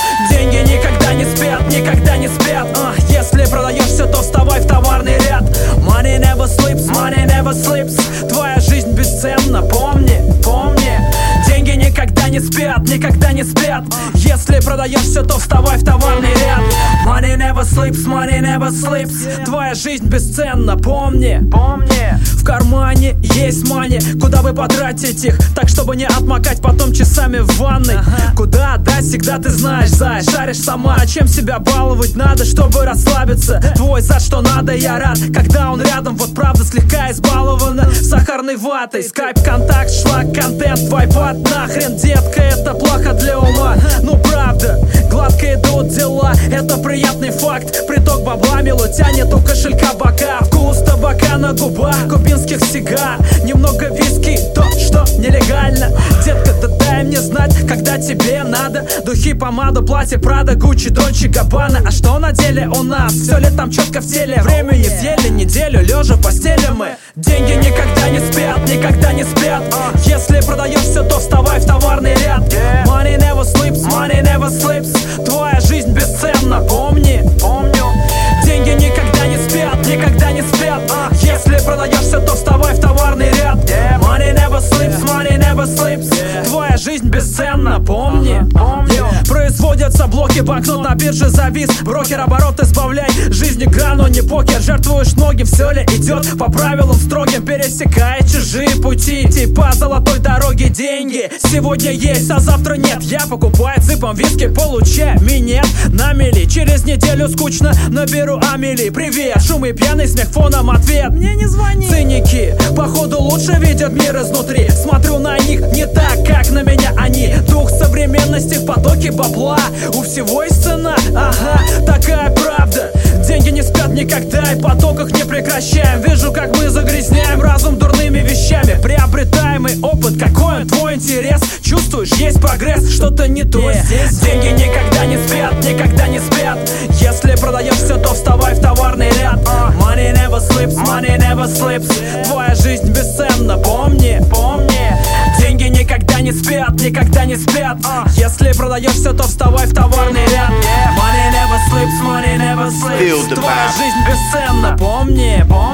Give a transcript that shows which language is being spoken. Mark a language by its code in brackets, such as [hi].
[ru] Деньги никогда не спят, никогда не спят. Если продаешь все, то вставай в товарный ряд. [en] Money never sleeps, money never sleeps. [ru] Твоя жизнь бесценна, помни, помни. Деньги никогда не спят, никогда не спят. Если продаешь все, то вставай в товарный ряд. [en] Money never sleeps, money never sleeps. [ru] Твоя жизнь бесценна, помни, помни. В кармане есть мани, куда бы потратить их, так чтобы не отмокать потом часами в ванной. Куда отдать, всегда ты знаешь, зай, шаришь сама. А чем себя баловать надо, чтобы расслабиться? Твой зад, что надо, я рад, когда он рядом. Вот правда слегка избалована сахарной ватой. Скайп, контакт, шлак, контент, вайпад. Нахрен, детка, это плохо для ума. Ну правда, гладко идут дела. Это приятный факт, приток бабла мило тянет у кошелька бока. Вкус табака на губах, кубинских сигар. Немного виски, то, что нелегально. Детка, да дай мне знать, когда тебе надо. Духи, помаду, платье, Прада, Гуччи, Дольче, Габбана. А что на деле у нас? Все летом четко в теле. Время не в деле, неделю лежа в постели мы. Деньги никогда не спят, никогда не спят. Если продаешь все, то вставай в товарный ряд. [en] Money never sleeps, money never sleeps. [ru] Твоя жизнь бесценна, помни, помню. Деньги никогда не спят, никогда не спят. Если продаешь все, то вставай в товарный ряд. [en] Money never sleeps, money never sleeps. [ru] Твоя жизнь бесценна, помни, помню. Производятся блоки, банкнот на бирже завис. Брокер оборот избавляй, жизнь игра, но не покер. Жертвуешь ноги, все ли идет по правилам строгим. Пересекая чужие пути, типа золотой дороги. Деньги сегодня есть, а завтра нет. Я покупаю цыпом виски, получаю минет на мели. Через неделю скучно, наберу амели. Привет, шум и пьяный смех фоном ответ. Мне не звони. Циники, походу лучше видят мир изнутри. Смотрю на них не так, как на меня они. Дух современности в потоке бабла. У всего есть цена, ага, такая правда. Деньги не спят никогда и поток их не прекращаем. Вижу, как мы загрязняем разум дурными вещами. Приобретаемый опыт, какой он твой интерес. Чувствуешь, есть прогресс, что-то не то здесь. Деньги никогда не спят, никогда не спят. Если продаешь все, то вставай в товарный ряд. [en] Money never sleeps, money never sleeps. [ru] Твоя жизнь бесценна, помни, помни. Деньги никогда не спят, никогда не спят. Если продаешь все, то вставай в товарный ряд. [en] Money never sleeps, money never sleeps. [ru] Твоя жизнь бесценна, помни.